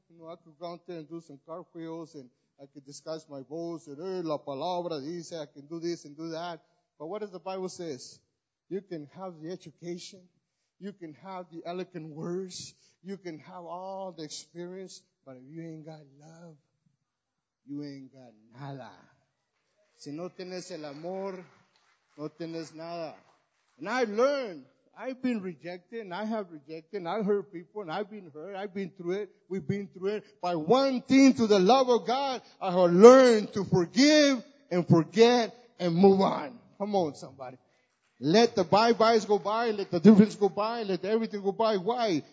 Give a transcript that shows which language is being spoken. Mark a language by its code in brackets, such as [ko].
[en] You know, I could go out there and do some cartwheels and I could discuss my voice, and, hey, [es] la palabra dice, [en] I can do this and do that. But what does the Bible say? You can have the education. You can have the eloquent words. You can have all the experience. But if you ain't got love, you ain't got nada. [es] Si no tienes el amor, no tienes nada. [en] And I learned. I've been rejected, and I have rejected, and I've hurt people, and I've been hurt. I've been through it. We've been through it. By one thing, to the love of God, I have learned to forgive and forget and move on. Come on, somebody. Let the bye-byes go by. Let the difference go by. Let everything go by. Why?